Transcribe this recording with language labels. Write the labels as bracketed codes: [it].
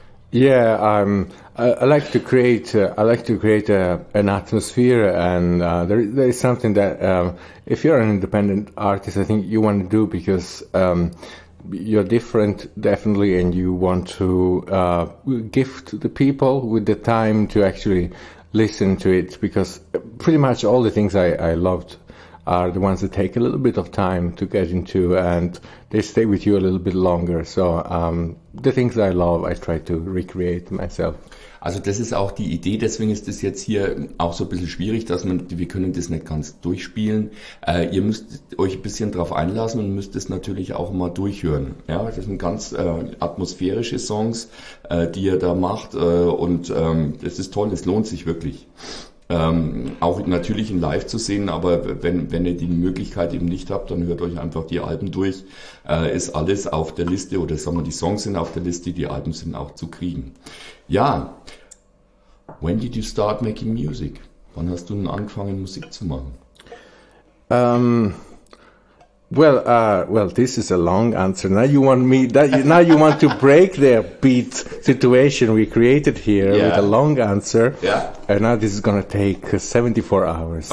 [en] Yeah, I like to create an atmosphere, and there is something that if you're an independent artist, I think you want to do, because you're different definitely, and you want to gift the people with the time to actually listen to it, because pretty much all the things I loved are the ones that take a little bit of time to get into, and they stay with you a little bit longer. So the things I love, I try to recreate myself. [de] Also das ist auch die Idee, deswegen ist das jetzt hier auch so ein bisschen schwierig, dass wir können das nicht ganz durchspielen. Ihr müsst euch ein bisschen drauf einlassen und müsst es natürlich auch mal durchhören. Ja, das sind ganz atmosphärische Songs, die ihr da macht, und es ist toll, es lohnt sich wirklich. Auch natürlich in live zu sehen, aber wenn ihr die Möglichkeit eben nicht habt, dann hört euch einfach die Alben durch. Ist alles auf der Liste, oder sagen wir, die Songs sind auf der Liste, die Alben sind auch zu kriegen. [en] Ja, when did you start making music? [de] Wann hast du denn angefangen, Musik zu machen? [en] Well, this is a long answer. Now you want to break the beat situation we created here with a long answer. Yeah. And now this is going to take 74 hours.